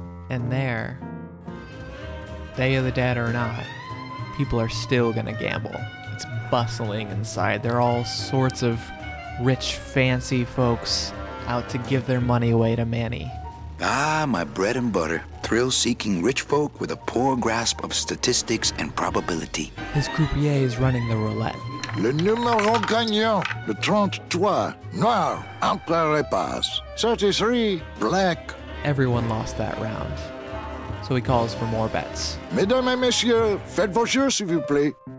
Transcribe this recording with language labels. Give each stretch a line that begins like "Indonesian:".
English: And there, Day of the Dead or not, people are still gonna gamble. It's bustling inside. There are all sorts of rich, fancy folks out to give their money away to Manny. Ah, my bread and butter. Thrill-seeking rich folk with a poor grasp of statistics and probability. His croupier is running the roulette.
French: Le numéro gagnant, le 33, noir, un clair repas,
English: 33, black. Everyone lost that round, so he calls for more bets.
French: Mesdames et messieurs, faites vos jeux, s'il vous plaît.